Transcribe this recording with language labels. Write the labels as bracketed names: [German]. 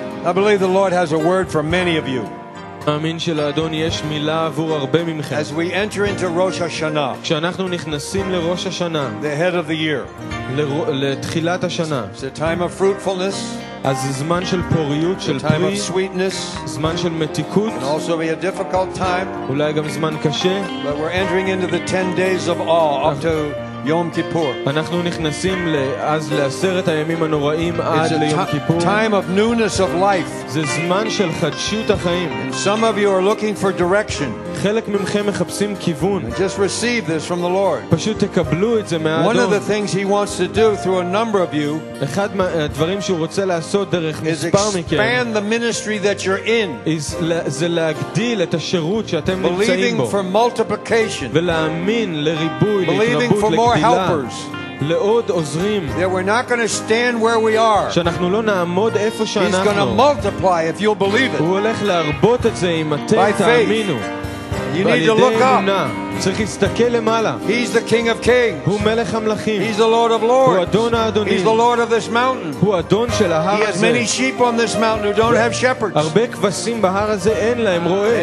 [English] I believe the Lord has a word for many of you. [Hebrew] אמן שלאדון יש מילה עבור הרבה מכם. [English] As we enter into Rosh Hashanah. [Hebrew] כשאנחנו נכנסים לראש השנה. [English] The head of the year. [Hebrew] לתחילת השנה. [English] It's a time of fruitfulness. [Hebrew] אז זמן של פוריות, של פרי. [English] A time of sweetness. [Hebrew] זמן של מתיקות. [English] And also be a difficult time. [Hebrew] אולי גם זמן קשה. [English] But we're entering into the 10 days of awe up to Yom Kippur. [Hebrew] אנחנו נכנסים לאז לעשרת הימים הנוראים עד ליום כיפור. [English] It's a time of newness of life. [Hebrew] זה זמן של חדשות החיים. [English] And some of you are looking for direction. [Hebrew] חלק ממכם מחפשים כיוון. [English] Just receive this from the Lord. [Hebrew] פשוט תקבלו את זה מהאדון. [English] One of the things he wants to do through a number of you. [Hebrew] אחד מהדברים שהוא רוצה לעשות דרך מספר מכם. [English] Expand the ministry that you're in. [Hebrew] זה להגדיל את השירות שאתם נמצאים בו. [English] Believing for multiplication. [Hebrew] ולהאמין לריבוי, להתרבות, [English] more helpers. [Hebrew] לעוד עוזרים. [English] There we're not going to stand where we are. [Hebrew] שאנחנו לא נעמוד איפה שאנחנו. [English] He's going to multiply if you'll believe it. [Hebrew] הוא הולך להרבות את זה אם אתם תאמינו. [English] You need to look up. [Hebrew] צריך להסתכל למעלה. [English] He's the King of Kings. [Hebrew] הוא מלך המלכים. [English] He's the Lord of Lords. [Hebrew] הוא אדון האדונים. [English] He's the Lord of this mountain. [Hebrew] הוא אדון של ההר הזה. [English] He has many sheep on this mountain who don't have shepherds. [Hebrew] הרבה כבשים בהר הזה אין להם רועה.